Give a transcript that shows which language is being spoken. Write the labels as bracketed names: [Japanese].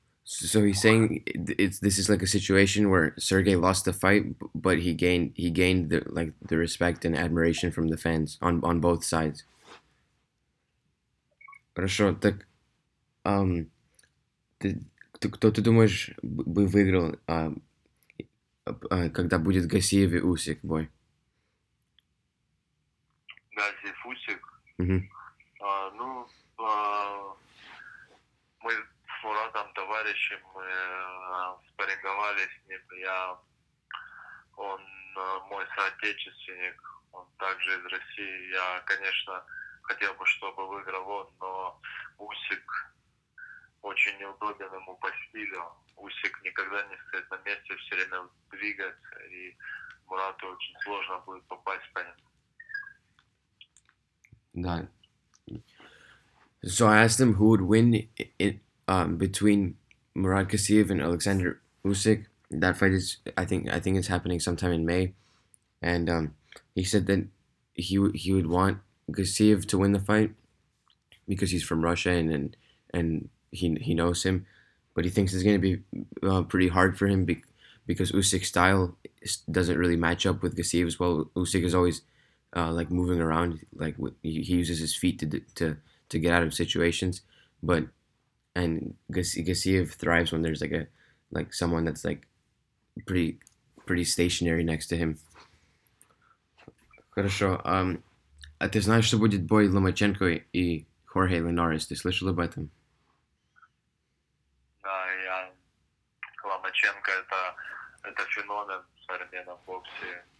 [English] So he's saying it's this is like a situation where Sergey lost the fight, but he gained the respect and admiration from the fans on both sides. [Russian] Хорошо, так кто ты думаешь бы выиграл, когда будет Гасиев и Усик бой? Гази Фусик. Мы с Мурадом товарищем спарринговались с ним. Он мой соотечественник, он также из России. Я, конечно, хотел бы, чтобы выиграл он, но Усик очень неудобен ему по стилю. Усик никогда не стоит на месте, все время двигается, и Мурату очень сложно будет попасть по нему. Да. [English] So I asked him who would win it between Murad Gassiev and Alexander Usyk. That fight is, I think it's happening sometime in May, and he said that he would want Gassiev to win the fight because he's from Russia and he knows him, but he thinks it's going to be pretty hard for him because Usyk's style doesn't really match up with Gassiev as well. Usyk is always like moving around, like he uses his feet to get out of situations, but and Gassiev thrives when there's like someone that's like pretty stationary next to him. [Russian] Хорошо. А ты знаешь, что будет бой Ломаченко и Хорхе Линарес? Ты слышал об этом? Ломаченко это феномен в современном боксе.